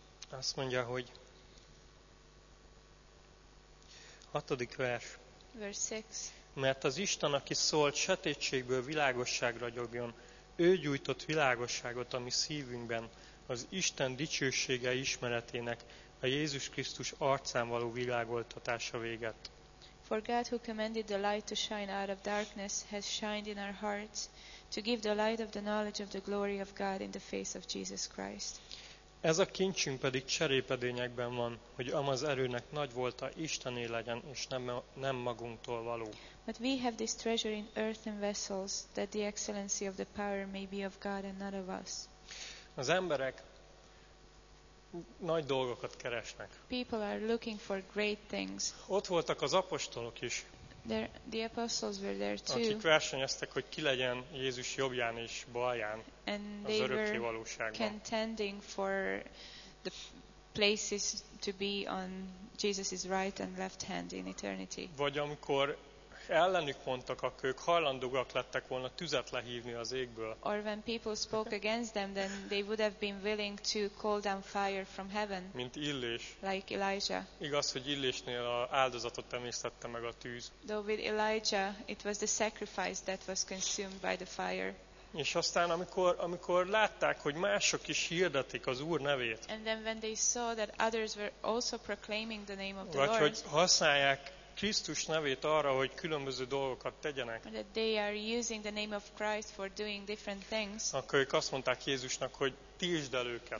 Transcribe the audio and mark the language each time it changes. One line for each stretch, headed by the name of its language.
Hungarian: Azt mondja, hogy 6. vers.
English: Verse 6.
Hungarian: Mert az Isten, aki szólt, sötétségből világosságra gyogjon, ő gyújtott világosságot a mi szívünkben, az Isten dicsősége ismeretének, a Jézus Krisztus arcán való világoltatása véget.
English: For God, who commanded the light to shine out of darkness, has shined in our hearts, to give the light of the knowledge of the glory of God in the face of Jesus Christ.
Hungarian: Ez a kincsünk pedig cserépedényekben van, hogy amaz erőnek nagy volta Istené legyen, és nem magunktól való.
English: But we have this treasure in earthen vessels, that the excellency of the power may be of God and not of us.
Hungarian: Az emberek nagy dolgokat keresnek.
English: People are looking for great things.
Hungarian: Ott voltak az apostolok is.
English: The apostles were there too.
Hungarian: Akik versenyeztek, hogy ki legyen Jézus jobbján és balján
English: and
Hungarian: az örökké valóságban.
English: Contending for the places to be on Jesus's right and left hand in eternity.
Hungarian: Vagy amikor ellenük mondtak, akkor ők hajlandóak lettek volna tüzet lehívni az égből.
English: Or when people spoke against them, then they would have been willing to call down fire from heaven.
Hungarian: Mint Illés.
English: Like Elijah.
Hungarian: Igaz, hogy Illésnél az áldozatot emésztette meg a tűz.
English: Though with Elijah, it was the sacrifice that was consumed by the fire.
Hungarian: És aztán, amikor látták, hogy mások is hirdetik az Úr nevét.
English: And then when they saw that others were also proclaiming the name of the
Hungarian: vagy,
English: Lord.
Hungarian: Hogy használják Krisztus nevét arra, hogy különböző dolgokat tegyenek.
English: That they are using the name of Christ for doing different things.
Hungarian: Akkor ők azt mondták Jézusnak, hogy tiltsd el őket.